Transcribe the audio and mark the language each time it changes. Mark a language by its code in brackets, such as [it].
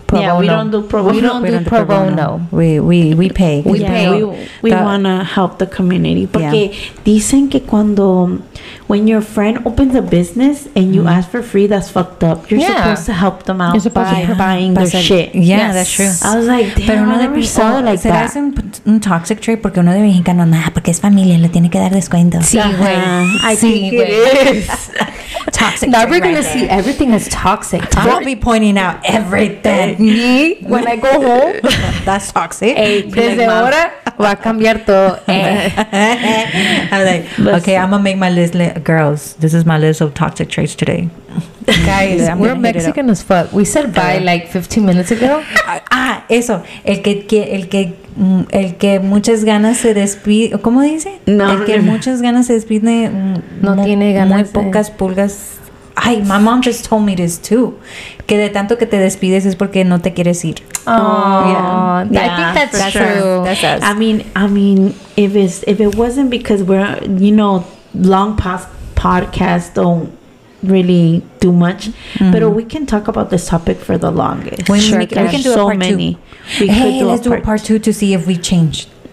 [en] We don't do pro bono. We pay. We want to help the community. [es] Porque dicen que cuando... [en] When your friend opens a business and you ask for free, that's fucked up. You're supposed to help them out by buying their shit. Yeah, that's true. I was like, damn, pero I never saw it like that. [es] Es un [en] toxic trait [es] porque uno de mexicano, nada, porque es familia, le tiene que dar descuento. Sí, güey. [en] Toxic trait. Now we're going to see everything as toxic. Don't be pointing out everything. Me, when I go home, that's toxic. [es] Desde ahora, va a cambiar todo. [en] Okay, I'm going to make my list. Girls, this is my list of toxic traits today. Guys, we're Mexican as fuck. We said bye like 15 minutes ago. [es] Ah, eso. El que muchas ganas se despide. ¿Cómo dice? No. El que muchas ganas se despide. No tiene ganas. Muy pocas pulgas. [en] Ay, my mom just told me this too. [es] Que de tanto que te despides es porque no te quieres ir. [en] Yeah. I think that's true. I mean, if it wasn't because we're, you know, long past podcasts don't really do much, but we can talk about this topic for the longest. Let's do a part two to see if we changed.